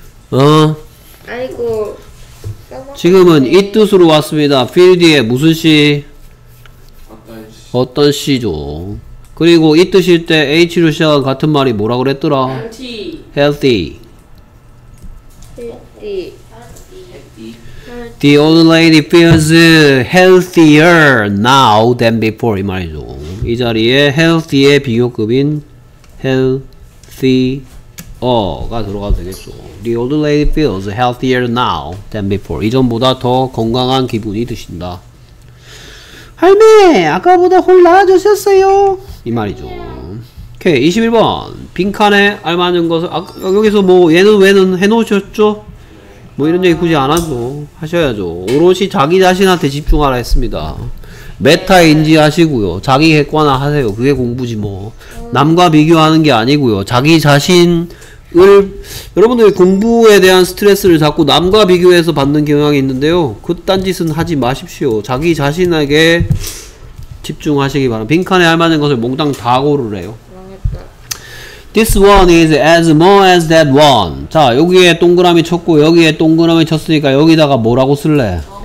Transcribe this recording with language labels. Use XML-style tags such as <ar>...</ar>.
<ko>어? 아이고. 지금은 이 뜻으로 왔습니다. 필 뒤에 무슨 시? 어떤 시죠. 그리고 이 뜻일 때 H로 시작한 같은 말이 뭐라 그랬더라?</ko> <en>Healthy. Healthy. The old lady feels healthier now than before.</en> <ko>이 말이죠. 이 자리에 healthy의 비교급인 healthier가 들어가도 되겠죠. The old lady feels healthier now than before. 이전보다 더 건강한 기분이 드신다. 할매! 아까보다 훨씬 나아지셨어요! 이 말이죠. 오케이, 21번. B 빈칸에 알맞은 것을 아, 여기서 뭐 얘는 왜는 해놓으셨죠? 뭐 이런 얘기 굳이 안 하죠. 하셔야죠. 오롯이 자기 자신한테 집중하라 했습니다. 메타 인지하시고요. 자기 객관화 하세요. 그게 공부지 뭐. 남과 비교하는 게 아니고요. 자기 자신을 여러분들이 공부에 대한 스트레스를 자꾸 남과 비교해서 받는 경향이 있는데요. 그딴 짓은 하지 마십시오. 자기 자신에게 집중하시기 바랍니다. 빈칸에 알맞은 것을 몽땅 다 고르래요.</ko> <en>This one is as more as that one.</en> <ko>자, 여기에 동그라미 쳤고 여기에 동그라미 쳤으니까 여기다가 뭐라고 쓸래?</ko>